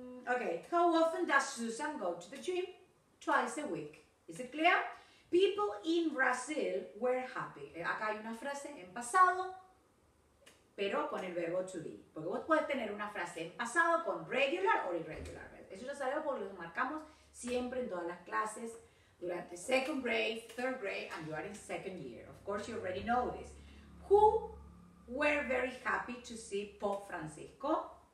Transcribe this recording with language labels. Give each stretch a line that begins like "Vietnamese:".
English: Okay, how often does Susan go to the gym? Twice a week. Is it clear? People in Brazil were happy.
Spanish: Acá hay una frase en pasado, pero con el verbo to be. Porque vos puedes tener una frase en pasado con regular
English: or irregular.
Spanish: Eso ya sabemos porque lo marcamos siempre en todas las clases.
English: Durante second grade, third grade, and you are in second year. Of course, you already know this. Who were very happy to see Pope Francisco?